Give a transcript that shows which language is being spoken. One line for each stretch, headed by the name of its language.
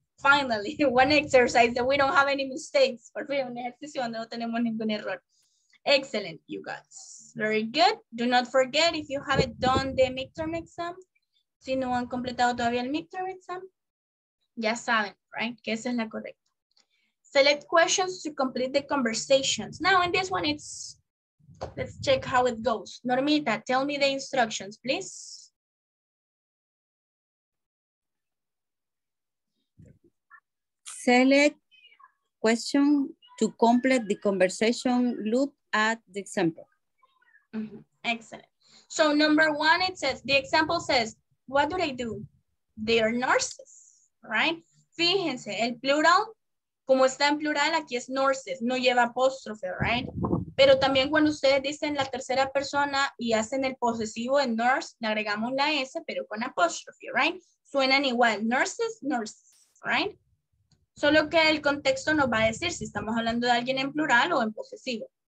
English: Finally, one exercise that we don't have any mistakes.
Spanish: Por fin, un ejercicio donde no tenemos ningún error.
English: Excellent, you guys. Very good. Do not forget, if you haven't done the midterm exam,
Spanish: si no han completado todavía el midterm exam, ya saben, right? Que esa es la correcta.
English: Select questions to complete the conversations. Now, in this one, it's let's check how it goes. Normita, tell me the instructions, please. Select question to complete the conversation loop at the example. Mm-hmm. Excellent. So number one, it says, the example says, what do they do? They are nurses, right?
Spanish: Fíjense, el plural, como está en plural, aquí es nurses, no lleva apóstrofe,
English: right?
Spanish: Pero también cuando ustedes dicen la tercera persona y hacen el posesivo en nurse, le agregamos la S, pero con apóstrofe,
English: right?
Spanish: Suenan igual, nurses, nurses,
English: right?
Spanish: Solo que el contexto nos va a decir si estamos hablando de alguien en plural o en posesivo.